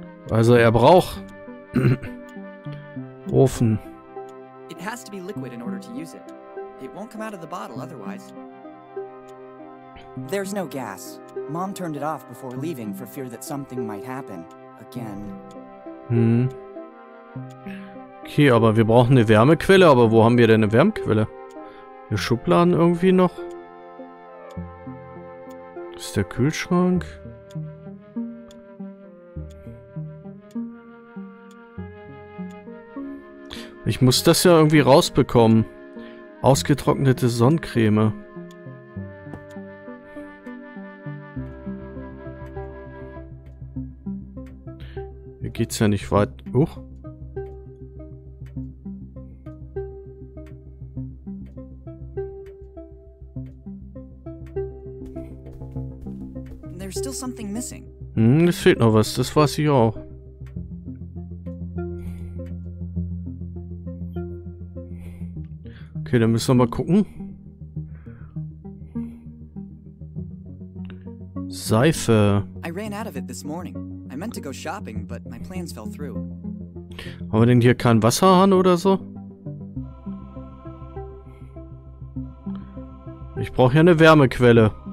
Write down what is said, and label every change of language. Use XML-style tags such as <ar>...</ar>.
<de>Also er braucht Ofen.</de> <en>It has to be liquid in order to use it. It won't come out of the bottle otherwise. There's no gas. Mom turned it off before leaving for fear that something might happen again. Hm.</en> <de>Okay, aber wir brauchen eine Wärmequelle, aber wo haben wir denn eine Wärmequelle? Wir Schubladen irgendwie noch. Das ist der Kühlschrank. Ich muss das ja irgendwie rausbekommen. Ausgetrocknete Sonnencreme. Wie Hier geht's ja nicht weit. Huch.</de> <en>There's still something missing.</en> <de>Es fehlt noch was, das weiß ich auch. Okay, dann müssen wir mal gucken. Seife.</de> <en>I ran out of it this morning. I meant to go shopping, but my plans fell through.</en> <de>Haben wir denn hier keinen Wasserhahn oder so? Ich brauche ja eine Wärmequelle.</de>